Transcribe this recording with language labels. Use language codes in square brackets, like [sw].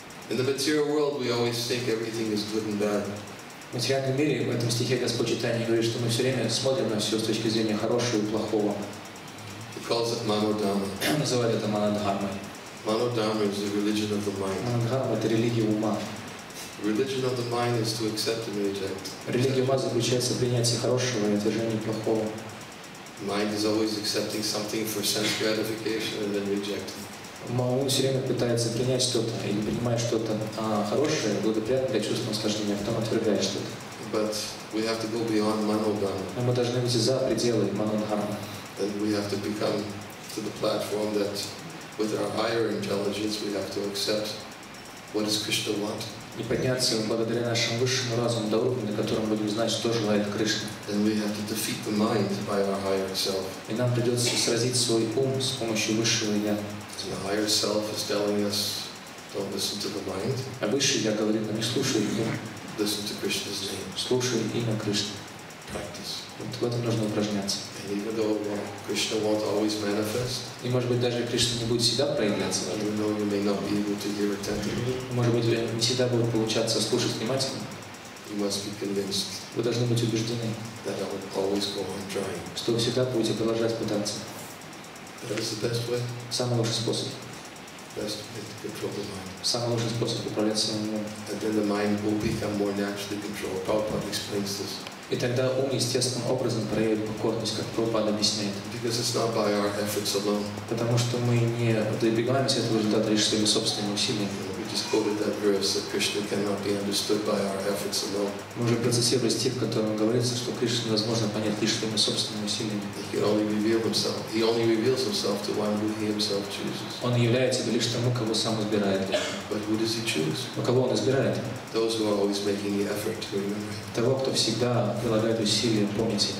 [en] In the material world, we always think everything is good and bad. [ru] В материальном мире в этом стихе Господь Чайтанья говорит, что мы все время смотрим на все с точки зрения хорошего и плохого. [en] He calls it Manodharma. [ru] Называет это Манодхармой. [en] Manodharma is the religion of the mind. [ru] Манодхарма — это религия ума. [en] Religion of the mind is to accept and reject. [ru] Религия ума заключается в принятии хорошего и отвержении плохого. [en] Mind is always accepting something for sense gratification and then rejecting. [ru] Ум все время пытается принять что-то или принимать что-то хорошее, благоприятное для чувства наслаждения, а потом отвергает что-то. [en] But we have to go beyond Manodharma. [ru] Но мы должны выйти за пределы Манодхармы. [en] And we have to become to the platform that with our higher intelligence we have to accept what does Krishna want. [ru] И подняться благодаря нашему высшему разуму до уровня, на котором будем знать, что желает Кришна. [en] Then we have to defeat the mind by our higher self. [ru] И нам придется сразить свой ум с помощью высшего я. [en] The higher self is telling us, don't listen to the mind. [ru] А высший я говорит, не слушай его. [en] Listen to Krishna's name. [ru] Слушай имя Кришны. [en] Practice. [ru] Вот в этом нужно упражняться. [en] And even though Krishna won't always manifest. [ru] И может быть даже Кришна не будет всегда проявляться. [en] Even though you may not be able to hear attentively. [ru] Может быть, не всегда будет получаться слушать внимательно. [en] You must be convinced. [ru] Вы должны быть убеждены. [en] That I will always go on trying. [ru] Что вы всегда будете продолжать пытаться. [en] That is the best way. [ru] Самый лучший способ. [en] Best way to control the mind. [ru] Самый лучший способ управлять своим умом. [en] And then the mind will become more naturally controlled. Prabhupada explains this. [ru] И тогда ум естественным образом проявит покорность, как Прабхупада объясняет. [en] Because it's not by our efforts alone. [ru] Потому что мы не добиваемся этого результата лишь своими собственными усилиями. [en] We just quoted that verse that Krishna cannot be understood by our efforts alone. [ru] Мы уже процитировали стих, в котором говорится, что Кришну невозможно понять лишь своими собственными усилиями. [en] He can only reveal himself. He only reveals himself to one who he himself chooses. [ru] Он является лишь тому, кого сам избирает. [en] But who does he choose? [ru] А кого он избирает? [en] Those who are always making the effort to remember. [ru] Того, кто всегда прилагает усилия, помните о